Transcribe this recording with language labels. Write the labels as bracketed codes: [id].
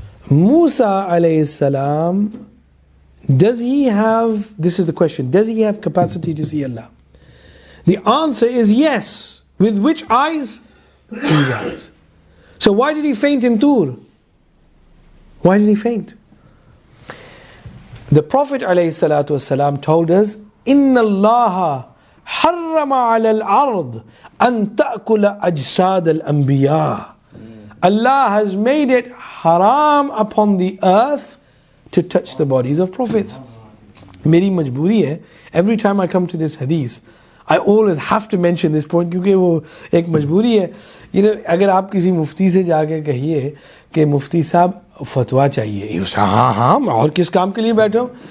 [en] Musa alayhi salam, does he have capacity to see Allah? The answer is yes. With which eyes? These eyes. So why did he faint in Tur? Why did he faint? The Prophet alayhi salatu wasalam told us, [ar] إِنَّ اللَّهَ حَرَّمَ عَلَى الْأَرْضِ أَن تَأْكُلَ أَجْسَادَ الْأَنْبِيَاءِ. [en] Allah has made it haram upon the earth to touch the bodies of prophets. [ur] Meri majboori hai, [en] every time I come to this hadith, I always have to mention this point because it's a majboori. You know, if you go to a mufti and say that [ur] mufti sahab fatwa chahiye, [en] you say, [ur] "Ha ha, aur kis kaam ke liye baitha hu?"